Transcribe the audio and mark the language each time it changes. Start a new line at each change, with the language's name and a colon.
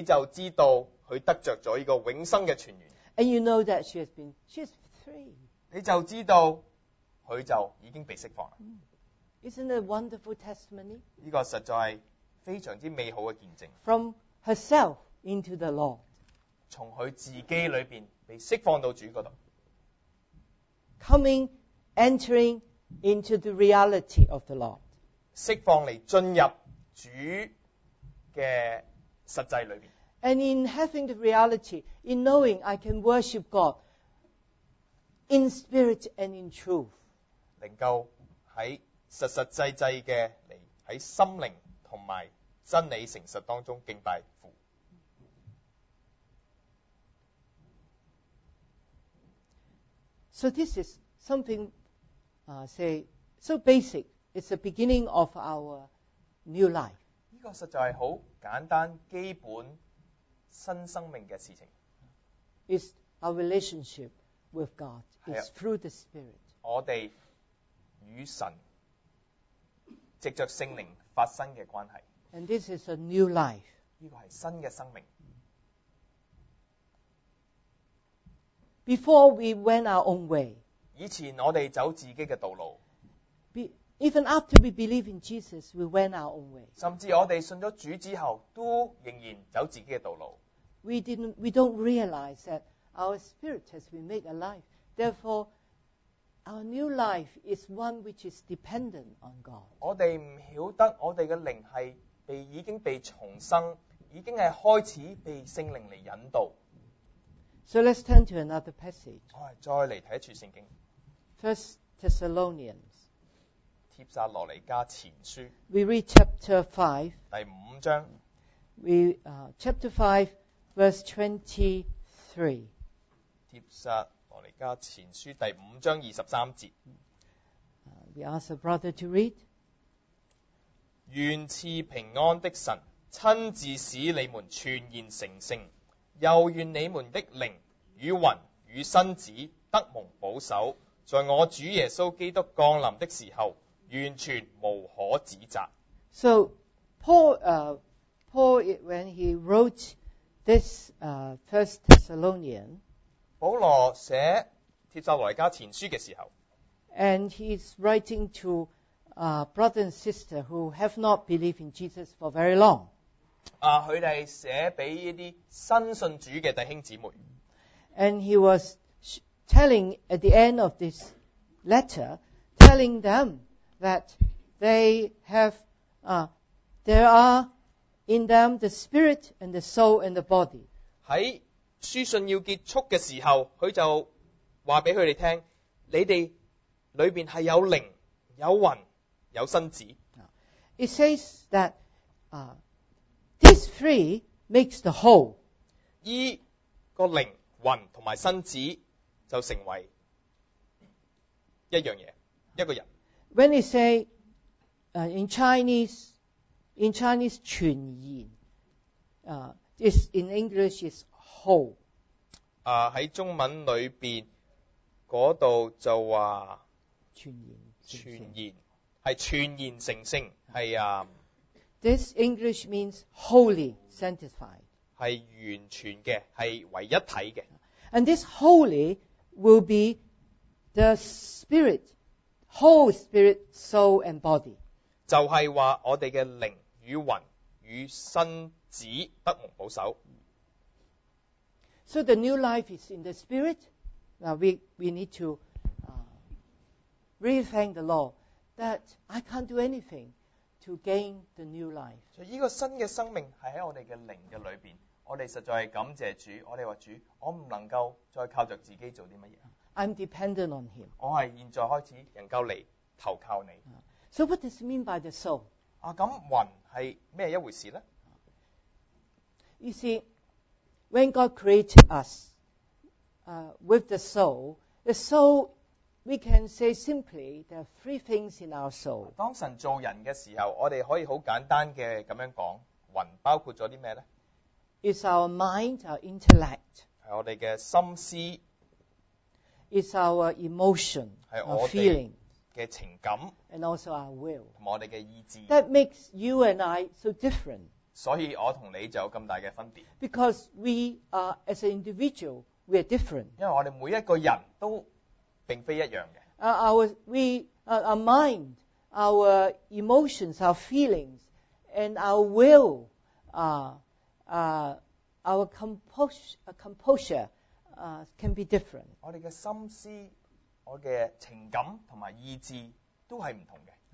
Chinese: 所以当她再不需要这个水罐子的时候，你就知道她得着了这个永生的泉源。
English: And you know that she has been, she's free.
Chinese: 你就知道她就已经被释放了。
English: Isn't it a wonderful testimony?
Chinese: 这个实在非常美好的见证。
English: From herself into the Lord.
Chinese: 从她自己里面被释放到主那里。
English: Coming, entering into the reality of the Lord.
Chinese: 释放来进入主的实际里面。
English: And in having the reality, in knowing I can worship God in spirit and in truth.
Chinese: 能够在实实际际的，在心灵和真理诚实当中敬拜父。
English: So this is something, say, so basic. It's the beginning of our new life.
Chinese: 这个实在是很简单，基本。新生命的事情。
English: It's our relationship with God. It's through the Spirit.
Chinese: 我们与神藉着圣灵发生的关系。
English: And this is a new life.
Chinese: 这个是新的生命。
English: Before we went our own way.
Chinese: 以前我们走自己的道路。
English: Even after we believe in Jesus, we went our own way.
Chinese: 甚至我们信了主之后都仍然走自己的道路。
English: We don't realize that our spirit has been made alive. Therefore, our new life is one which is dependent on God.
Chinese: 我们不晓得我们的灵是已经被重生，已经是开始被圣灵来引导。
English: So let's turn to another passage.
Chinese: 我们再来看一处圣经。
English: First Thessalonians.
Chinese: 帖撒罗尼加前书。
English: We read chapter 5.
Chinese: 第五章。
English: Chapter 5. Verse 23.
Chinese: 帖撒罗尼加前书第五章二十三节。
English: We ask the brother to read.
Chinese: 愿赐平安的神亲自使你们全然成圣，又愿你们的灵与魂与身子得蒙保守，在我主耶稣基督降临的时候完全无可指责。
English: So Paul, when he wrote this First Thessalonian,
Chinese: 保罗写帖撒罗尼加前书的时候，
English: and he's writing to a brother and sister who have not believed in Jesus for very long.
Chinese: 他们写给一些新信主的弟兄姊妹。
English: And he was telling at the end of this letter, telling them that they have, there are in them the spirit and the soul and the body.
Chinese: 在书信要结束的时候，他就告诉他们听，你们里面是有灵、有魂、有身子。
English: It says that, these three makes the whole.
Chinese: 这个灵、魂和身子就成为一样东西，一个人。
English: When they say, in Chinese, 全然， in English is whole.
Chinese: 在中文里面那里就说全然，全然是全然成圣，是
English: This English means holy, sanctified.
Chinese: 是完全的，是唯一体的。
English: And this holy will be the spirit, whole spirit, soul and body.
Chinese: 就是说我们的灵与魂与身子得蒙保守。
English: So the new life is in the spirit. Now we need to really thank the Lord that I can't do anything to gain the new life.
Chinese: 这个新的生命是在我们的灵的里面，我们实在感谢主，我们说主，我不能够再靠着自己做什么。
English: I'm dependent on him.
Chinese: 我是现在开始能够来投靠你。
English: So what does it mean by the soul?
Chinese: 那魂是什么一回事呢？
English: You see, when God created us, with the soul, we can say simply, there are three things in our soul.
Chinese: 当神造人的时候，我们可以很简单的这样讲，魂包括了什么呢？
English: It's our mind, our intellect.
Chinese: 是我们的心思。
English: It's our emotion, our feeling.
Chinese: 的情感。
English: And also our will.
Chinese: 和我们的意志。
English: That makes you and I so different.
Chinese: 所以我和你就有这么大的分别。
English: Because we are, as an individual, we are different.
Chinese: 因为我们每一个人都并非一样的。
English: Our mind, our emotions, our feelings, and our will, our composure, can be different.
Chinese: 我们的心思、我们的情感和意志都是不同的。